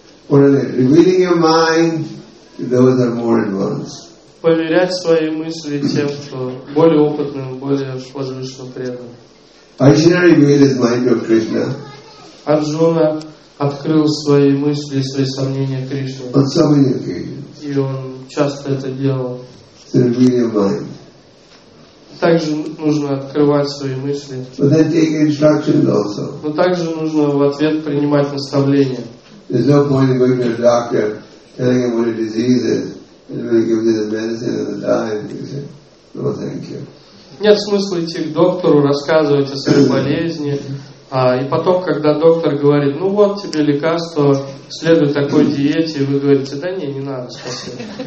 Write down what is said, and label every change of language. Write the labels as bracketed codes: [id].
[en] Revealing your mind to those that are more advanced. [ru] Поверять свои мысли тем, кто более опытным, более возвышенным преданным. [en] Arjuna revealed his mind to Krishna. [ru] Arjuna открыл свои мысли, свои сомнения Кришне. [en] On so many occasions. [ru] И он часто это делал. [en] To reveal your mind. [ru] Также нужно открывать свои мысли. [en] But then take instructions also. [ru] Но также нужно в ответ принимать наставления. [en] There's no point in going to a doctor telling him what a disease is and really give him the medicine and the diet. You say, no, thank you. [ru] Нет смысла идти к доктору, рассказывать о своей болезни, и потом, когда доктор говорит, ну вот тебе лекарство, следуй такой диете, и вы говорите, да не, не надо, спасибо.